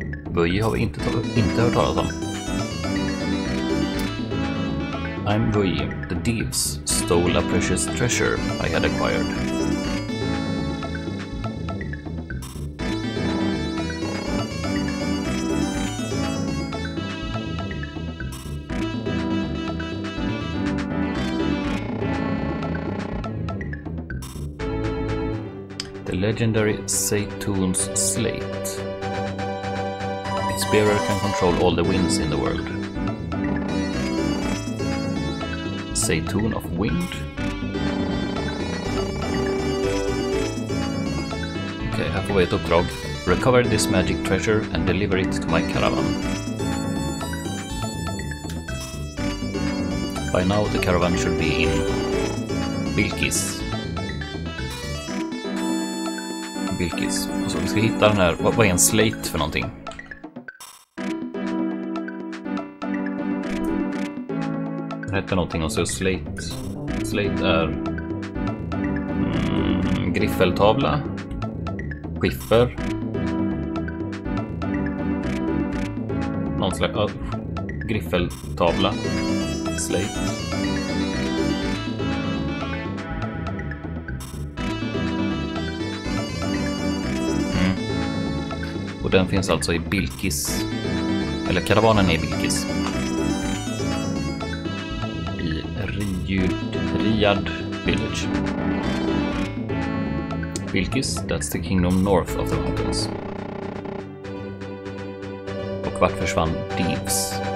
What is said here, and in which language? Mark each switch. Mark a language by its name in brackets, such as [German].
[Swedish] Vuji har vi inte hört talas om. [English] I'm Vuji. The thieves stole a precious treasure I had acquired. Legendary Satoon's Slate. Its bearer can control all the winds in the world. Satoon of Wind? [Swedish] Okej, här får vi ett uppdrag. [English] Recover this magic treasure and deliver it to my caravan. By now the caravan should be in Bilkis. [Swedish] Och så vi ska hitta den här, vad är en slate för någonting? Den heter någonting och så slate. Slate är griffeltavla, skiffer, någon slags griffeltavla, slate. Den finns alltså i Bilkis. Eller karavanen är i Bilkis. I Riyad Village. [English] Bilkis, that's the kingdom north of the mountains. [Swedish] Och vart försvann Deeps?